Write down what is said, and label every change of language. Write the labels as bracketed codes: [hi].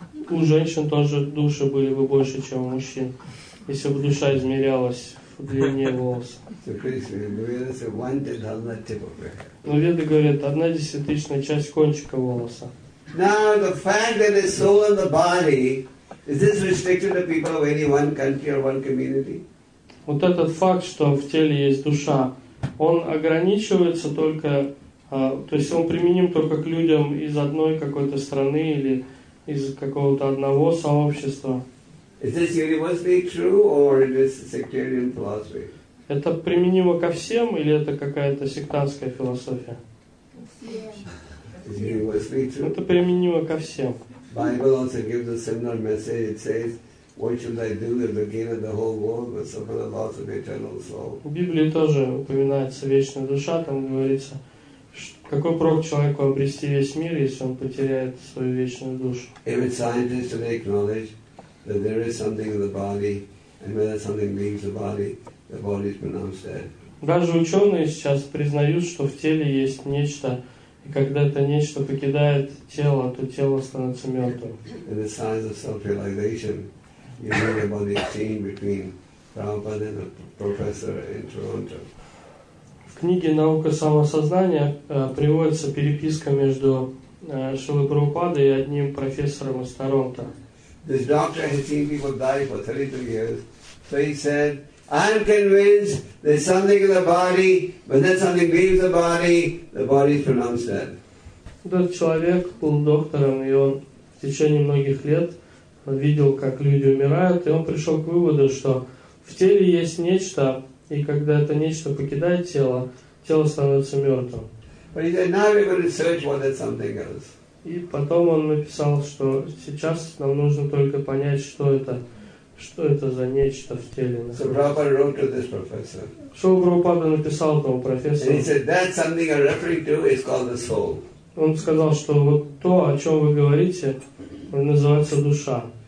[ru] У женщин тоже души были бы больше, чем у мужчин, если бы душа измерялась в длине волос. Но веды говорят, 1/10,000 часть кончика волоса. [en] Now the fact that the soul and the body is this restricted to people of any one country or one community? [ru] Вот этот факт, что в теле есть душа, он ограничивается только, то есть он применим только к людям из одной какой-то страны или из какого-то одного сообщества. [en] Is this universally true or is this sectarian philosophy? [ru] Это применимо ко всем или это какая-то сектантская философия? [en] Is it universally true? [ru] Это применимо ко всем. [en] Bible also gives a similar message. It says, what should I do if I gain the whole world but suffer the loss of eternal soul? [ru] В Библии тоже упоминается вечная душа, там говорится, какой прок человеку обрести весь мир, если он потеряет свою вечную душу? [en] Every scientist should acknowledge that there is something in the body, and when that something leaves the body is pronounced dead. [ru] Даже ученые сейчас признают, что в теле есть нечто, и когда это нечто покидает тело, то тело становится мертвым. [en] In the science of self-realization, you know about the exchange between Prabhupada and a professor in Toronto. [ru] В книге «Наука самосознания» приводится переписка между Шрилой Прабхупадой и одним профессором из Торонто. [en] This doctor has seen people die for 32 years. So he said, I'm convinced there's something in the body, but then something leaves the body is pronounced dead. [ru] Этот человек был доктором, и он в течение многих лет видел, как люди умирают, и он пришел к выводу, что в теле есть нечто, и когда это нечто покидает тело, тело становится мертвым. [en] But he said, now we're going to search what that something is. [ru] И потом он написал, что сейчас нам нужно только понять, что это за нечто в теле. [en] So Prabhupada wrote to this professor. [ru] Шоу Прабхупада написал этому профессору. [en] And he said, that something I'm referring to is called the soul. [ru] Он сказал, что вот то, о чем вы говорите, называется душа.